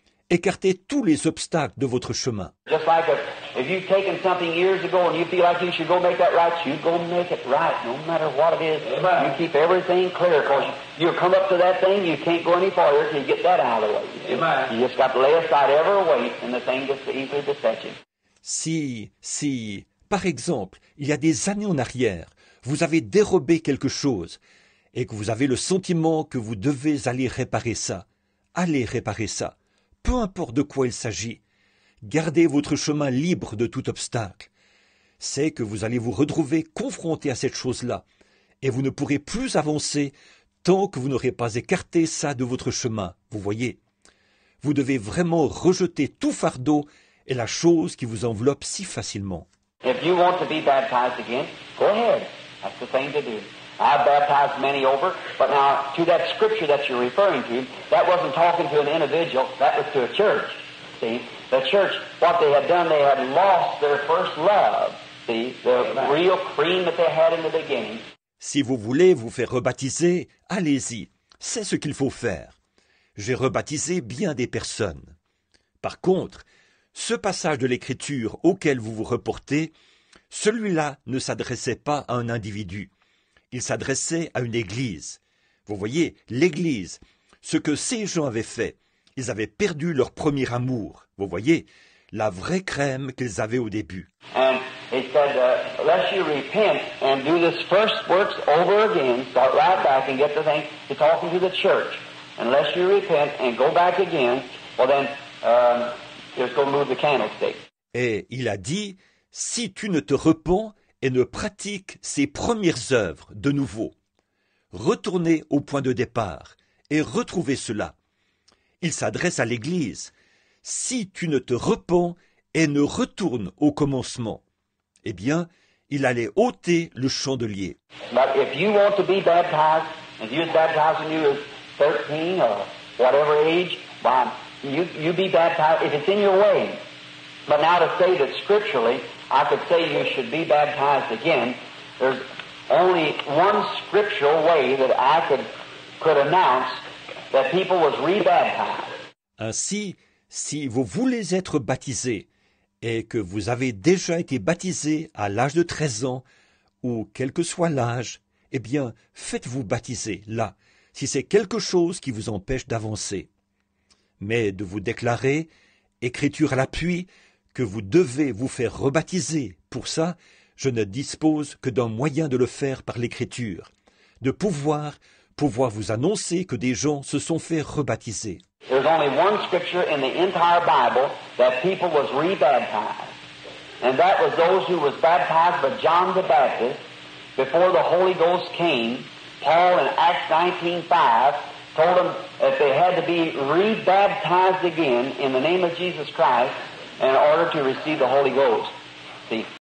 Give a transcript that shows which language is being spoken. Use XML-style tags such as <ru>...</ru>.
<fr>Écartez tous les obstacles de votre chemin.</fr> <en>Just like if you've taken something years ago and you feel like you should go make that right, you go make it right, no matter what it is. You keep everything clear, because you come up to that thing, you can't go any farther until you get that out of the way. You just got to lay aside every weight and the thing gets easily beset you.</en> <fr>Si, par exemple, il y a des années en arrière, vous avez dérobé quelque chose et que vous avez le sentiment que vous devez aller réparer ça, allez réparer ça. Peu importe de quoi il s'agit, gardez votre chemin libre de tout obstacle. C'est que vous allez vous retrouver confronté à cette chose-là, et vous ne pourrez plus avancer tant que vous n'aurez pas écarté ça de votre chemin, vous voyez. Vous devez vraiment rejeter tout fardeau et la chose qui vous enveloppe si facilement.</fr> <en>If you want to be baptized again, go ahead. That's the thing to do. I've baptized many over, but now to that scripture that you're referring to, that wasn't talking to an individual, that was to a church. See, the church, what they had done, they had lost their first love, see, the real cream that they had in the beginning.</en> <fr>Si vous voulez vous faire rebaptiser, allez-y, c'est ce qu'il faut faire. J'ai rebaptisé bien des personnes. Par contre, ce passage de l'Écriture auquel vous vous reportez, celui-là ne s'adressait pas à un individu. Il s'adressait à une église. Vous voyez, l'église, ce que ces gens avaient fait, ils avaient perdu leur premier amour. Vous voyez, la vraie crème qu'ils avaient au début.</fr> <en>And he said, unless you repent and do this first works over again, start right back and get the thing, he's talking to the church. Unless you repent and go back again, well then, just go move the candlestick.</en> <fr>Et il a dit, si tu ne te repens, et ne pratique ses premières œuvres de nouveau. Retournez au point de départ et retrouvez cela. Il s'adresse à l'Église. Si tu ne te repens et ne retournes au commencement, eh bien, il allait ôter le chandelier.</fr> <en>But if you want to be baptized, if you're baptized when you're 13 or whatever age, you be baptized if it's in your way. But now to say that scripturally, I could say you should be baptized again. There's only one scriptural way that I could announce that people was rebaptized.</en> <fr>Ainsi, si vous voulez être baptisé et que vous avez déjà été baptisé à l'âge de 13 ans ou quel que soit l'âge, eh bien, faites-vous baptiser là, si c'est quelque chose qui vous empêche d'avancer. Mais de vous déclarer, Écriture à l'appui, que vous devez vous faire rebaptiser. Pour ça, je ne dispose que d'un moyen de le faire par l'Écriture, de pouvoir vous annoncer que des gens se sont fait rebaptiser.</fr> <en>There's only one scripture in the entire Bible that people was rebaptized, and that was those who was baptized by John the Baptist before the Holy Ghost came. Paul in Acts 19:5 told them that they had to be rebaptized again in the name of Jesus Christ in order to receive the Holy Ghost. See?</en>